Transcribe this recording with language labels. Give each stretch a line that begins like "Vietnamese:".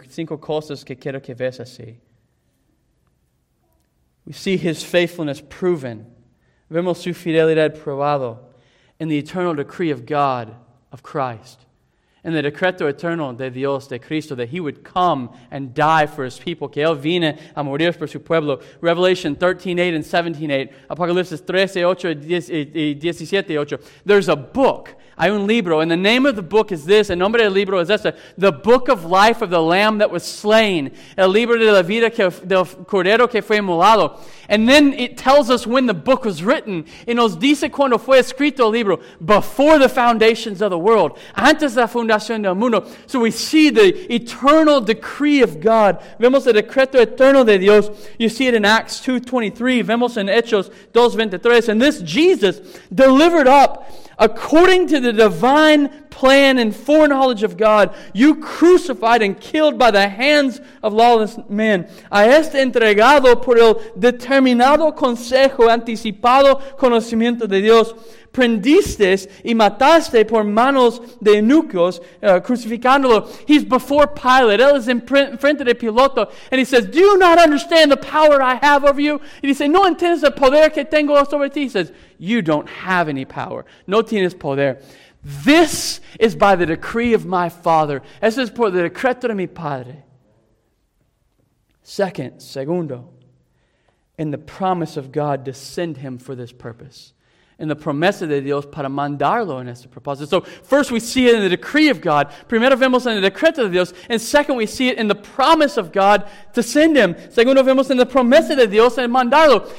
Spanish: Cinco cosas que quiero que veas así.
English: We see his faithfulness proven.
Spanish: Vemos su fidelidad probado
English: in the eternal decree of God, of Christ. In the
Spanish: decreto eterno de Dios, de Cristo,
English: that he would come and die for his people.
Spanish: Que él vine a morir por su pueblo.
English: Revelation 13:8 and 17:8.
Spanish: Apocalipsis 13:8 y 17:8.
English: There's a book.
Spanish: Hay un libro,
English: and the name of the book is this,
Spanish: el nombre del libro es este,
English: the book of life of the lamb that was slain,
Spanish: el libro de la vida del cordero que fue inmolado. And then it tells us when the book was written, y nos dice cuando fue escrito el libro, before the foundations of the world, antes de la fundación del mundo.
English: So we see the eternal decree of God.
Spanish: Vemos el decreto eterno de Dios.
English: You see it in Acts 2:23,
Spanish: vemos en Hechos 2:23,
English: and this Jesus delivered up according to the divine plan and foreknowledge of God, you crucified and killed by the hands of lawless men.
Spanish: A este entregado por el determinado consejo anticipado conocimiento de Dios, prendiste y mataste por manos de eunucos, crucificándolo.
English: He's before Pilate.
Spanish: Él es enfrente de Piloto.
English: And he says, do you not understand the power I have over you? And he says,
Spanish: no entiendes el poder que tengo sobre ti.
English: He says, you don't have any power.
Spanish: No tienes poder.
English: This is by the decree of my Father.
Spanish: Eso es por el decreto de mi Padre. Segundo,
English: in the promise of God to send him for this purpose.
Spanish: En la promesa de Dios para mandarlo en este propósito.
English: So, first we see it in the decree of God.
Spanish: Primero vemos en el decreto de Dios.
English: And second, we see it in the promise of God to send him.
Spanish: Segundo, vemos en la promesa de Dios en mandarlo.